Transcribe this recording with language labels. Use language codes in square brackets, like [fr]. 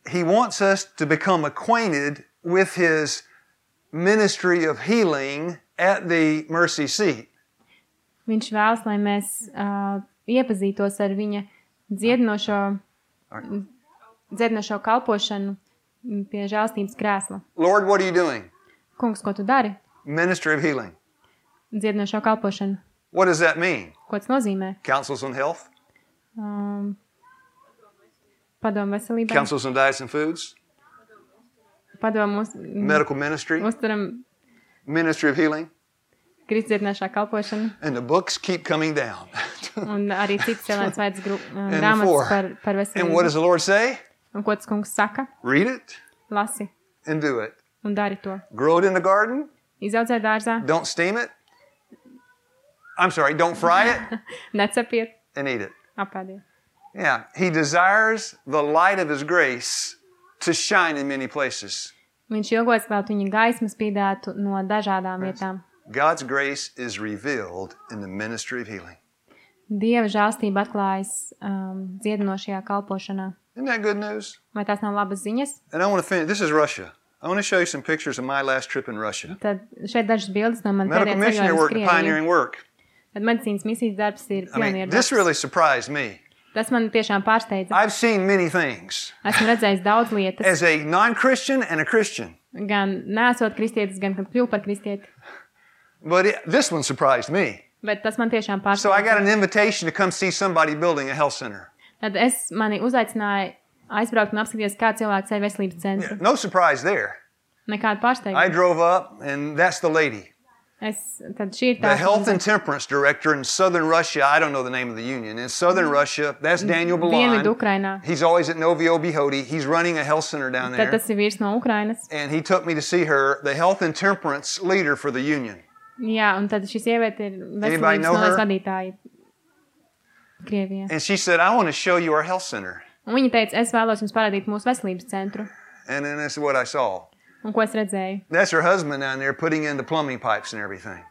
[en] He wants us to become acquainted with his ministry of healing at the mercy seat. [lv] Viņš vēlas, lai mēs iepazītos ar viņa dziedinošo kalpošanu pie žēlstības krēsla. [en] Lord, what are you doing? [lv] Kungs, ko tu dari? [en] Ministry of healing. [lv] Dziedinošo kalpošanu. [en] What does that mean? [lv] Ko tas nozīmē? [en] Councils on health? [lv] Padomu veselībai. [en] Councils on diets and foods? [lv] Padomu uz [en] medical ministry? [lv] Uzturam [en] ministry of healing? [lv] Kristu dziedināšā kalpošana. [en] And the books keep coming down. [lv] Un arī cits cilvēks vajadz grāmatas par veselību. [en] And what does the Lord say? [lv] Un ko tas kungs saka? [en] Read it. [lv] Lasi. [en] And do it. [lv] Un dari to. [en] Grow it in the garden. [lv] Izaudzē dārzā. [en] Don't steam it. I'm sorry, don't fry it. [lv] Necepiet. [en] And eat it. [lv] Apēdiet. [en] Yeah, he desires the light of his grace to shine in many places. [lv] Viņš ilgojas, lai viņa gaisma spīdētu no dažādām vietām. [en] God's grace is revealed in the ministry of healing. [lv] Dieva žēlstība atklājas dziedinošajā kalpošanā. [en] Isn't that good news? [lv] Vai tās nav labas ziņas? [en] And I want to finish. This is Russia. I want to show you some pictures of my last trip in Russia. [lv] Tad šeit dažas bildes no man pēdējās ceļojuma uz Krieviju. [en] Medical missionary pioneering work. [lv] Tad medicīnas misijas darbs ir pionieru darbs. [en] This really surprised me. [lv] Tas man tiešām pārsteidza. [en] I've seen many things. [lv] Esmu redzējis daudz lietas. [en] As a non-Christian and a Christian. [lv] Gan neesot kristietis, gan kad kļuvu par kristieti. [en] But this one surprised me. [lv] Bet tas man tiešām pārsteidza. [en] So I got an invitation to come see somebody building a health center. [lv] Tad es mani uzaicināju aizbraukt un apskatīties, kā cilvēks ceļ veselības centru. [en] No surprise there. [lv] Nekāda pārsteiguma. [en] I drove up and that's the lady. [lv] Es, tad šī ir tā. [en] The health and temperance director in southern Russia, I don't know the name of the union, in southern Russia, that's Daniel Balan. He's always at Novi Obihodi. He's running a health center down there. [lv] Tad tas ir vīrs no Ukrainas. [en] And he took me to see her, the health and temperance leader for the union. [lv] Jā, un tad šī sieviete ir veselības nodaļas vadītāja Krievijā. [en] And she said, I want to show you our health center. [lv] Un viņa teica, es vēlos jums parādīt mūsu veselības centru. [en] And then that's what I saw. [lv] Un ko es redzēju? [en] That's her husband down there putting in the plumbing pipes and everything.